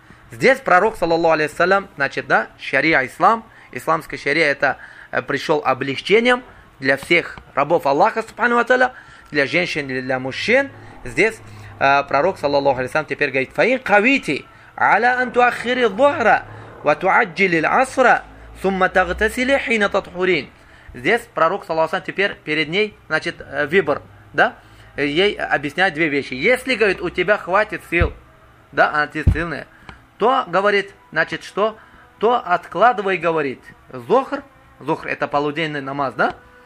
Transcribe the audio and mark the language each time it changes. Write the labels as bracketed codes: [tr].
[ru] Здесь пророк, саллаллаху алейхиссалям, значит, да, шария ислам, исламская шария, это пришел облегчением для всех рабов Аллаха, субхану ва тааля, для женщин и для мужчин. Здесь пророк, саллаллаху алейхиссалям, теперь говорит, [ar] «Фаин кавити». على أن تؤخري الظهر وتعجل العصر ثم تغتسل حين تطهرين. [ru] Здесь пророк саллаллаху алейхи ва саллям теперь перед ней, значит, выбор, да? Ей объясняют две вещи. Если, говорит, у тебя хватит сил, да, она тебе сильная, то, говорит, значит, что? То откладывай, говорит, зухр, зухр это полуденный намаз, да?